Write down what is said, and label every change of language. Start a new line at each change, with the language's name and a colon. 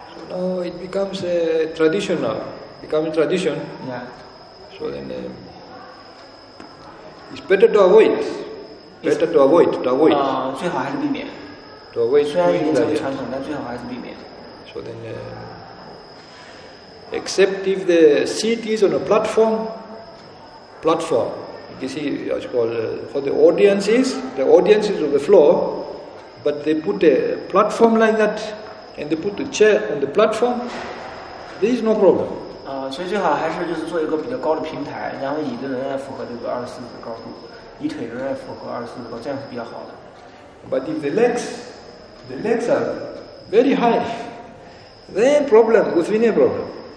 English: No, it becomes a tradition now. Becoming tradition. Yeah. So then, it's better to avoid. Better to avoid. To avoid.
Chinese: 最好还是避免。
English: To avoid.
Chinese: 虽然已经成为传统，但最好还是避免。
English: So then, except if the seat is on a platform. Platform. You see, it's called for the audiences. The audiences on the floor, but they put a platform like that. And they put the chair on the platform. This is no problem.
Chinese: 所以最好还是就是做一个比较高的平台，然后椅子仍然符合这个二十四指高度，椅腿仍然符合二十四指高，这样是比较好的。
English: But if the legs are very high, then problem with knee problem.